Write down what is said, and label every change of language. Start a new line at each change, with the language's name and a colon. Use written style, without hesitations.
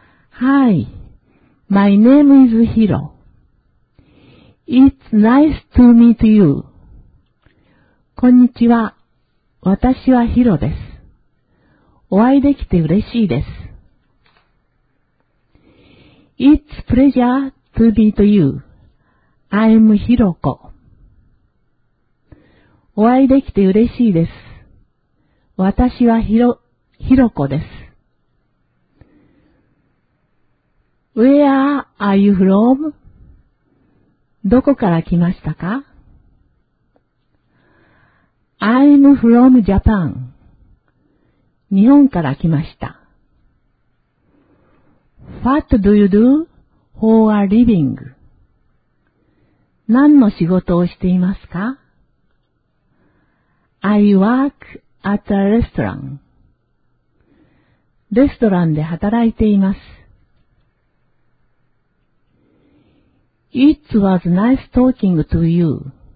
English: Hi, my name is Hiro. It's nice to meet you.
Japanese: こんにちは。私はヒロです。お会いできて嬉しいです。
English: It's pleasure to meet you. I'm Hiroko.
Japanese: お会いできて嬉しいです。私はひろこです。
English: Where are you from?
Japanese: どこから来ましたか？
English: I'm from Japan.
Japanese: 日本から来ました。
English: What do you do for a living?
Japanese: 何の仕事をしていますか？
English: I workAt a restaurant.
Japanese: レストランで働いています。
English: It was nice talking to you.